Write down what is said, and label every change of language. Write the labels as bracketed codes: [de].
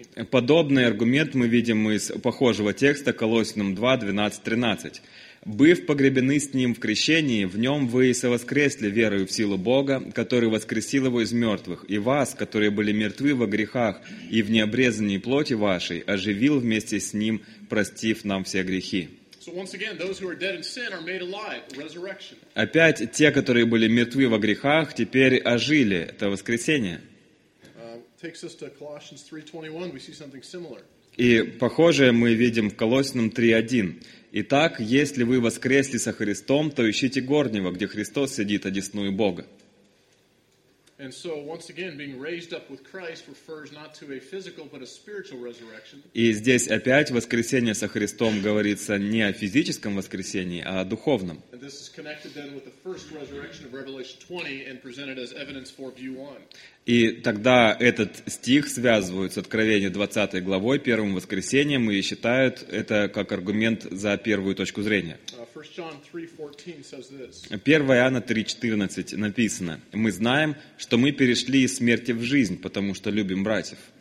[ru] Подобный аргумент мы видим из похожего текста Колоссянам 2, 12, 13. «Быв погребены с Ним в крещении, в Нем вы и совоскресли верою в силу Бога, который воскресил Его из мертвых, и вас, которые были мертвы во грехах и в необрезании плоти вашей, оживил вместе с Ним, простив нам все грехи». [en] So once again, those who are dead in sin are made alive, resurrection. [ru] Опять те, которые были мертвы во грехах, теперь ожили. Это воскресение. [en] Takes us to Colossians 3:21. We see something similar. [ru] И похожее мы видим в Колоссянам 3:1. Итак, если вы воскресли со Христом, то ищите горнего, где Христос сидит одесную Бога. [en] And so, once again, being raised up with Christ refers not to a physical, but a spiritual resurrection. [ru] И здесь опять воскресение со Христом говорится не о физическом воскресении, а о духовном. [en] And this is connected then with the first resurrection of Revelation 20 and presented as evidence for view 1. [ru] И тогда этот стих связывают с Откровением 20 главой, первым воскресением, и считают это как аргумент за первую точку зрения. 1 Иоанна 3:14 написано: «Мы знаем, что мы перешли из смерти в жизнь, потому что любим братьев».